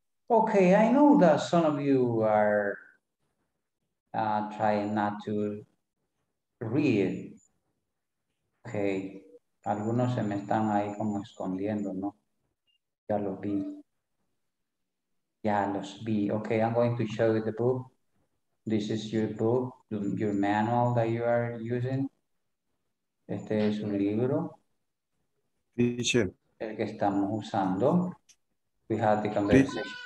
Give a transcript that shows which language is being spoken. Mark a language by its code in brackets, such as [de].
[en] Okay, I know that some of you are trying not to read. [es] Okay, algunos se me están ahí como escondiendo, ¿no? Ya los vi. [en] Okay, I'm going to show you the book. This is your book, your manual that you are using. [es] Este es un libro. [en] Teacher. [es] El que estamos usando. [en] We had the conversation.